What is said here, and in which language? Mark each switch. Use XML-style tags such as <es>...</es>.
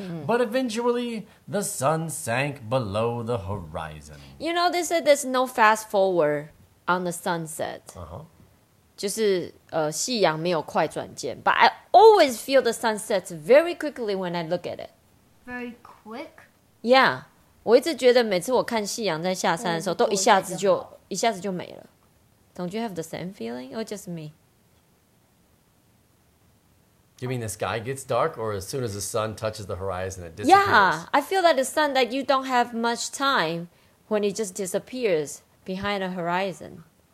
<en>But eventually, the sun sank below the horizon. You know, they said there's no fast forward on the sunset. Just,</en> <zh>夕阳没有快转间</zh> <en>But I always feel the sunset very quickly when I look at it. Very quick? Yeah.</en> <zh>我一直觉得每次我看夕阳在下山的时候都一下子就没了。</zh> <en>Don't you have the same feeling or just me? You mean the sky gets dark or as soon as the sun touches the horizon, it disappears? Yeah, I feel that the sun, that you don't have much time when it just disappears behind the horizon.</en>